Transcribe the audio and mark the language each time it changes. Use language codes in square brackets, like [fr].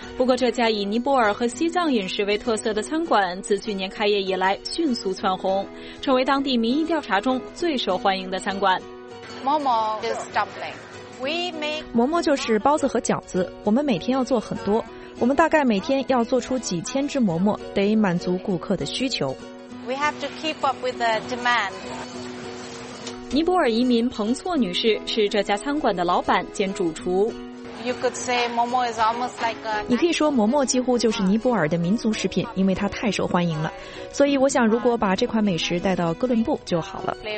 [zh] 不过这家以尼泊尔和西藏饮食为特色的餐馆自去年开业以来迅速窜红，成为当地民意调查中最受欢迎的餐馆。 [en] 嬷嬷 is dumpling. We make [zh] 嬷嬷就是包子和饺子，我们每天要做很多，我们大概每天要做出几千只嬷嬷，得满足顾客的需求。 [en] We have to keep up with the demand. [zh] 尼泊尔移民彭措女士是这家餐馆的老板兼主厨。你可以说嬷嬷几乎就是尼泊尔的民族食品，因为它太受欢迎了。所以我想如果把这款美食带到哥伦布就好了。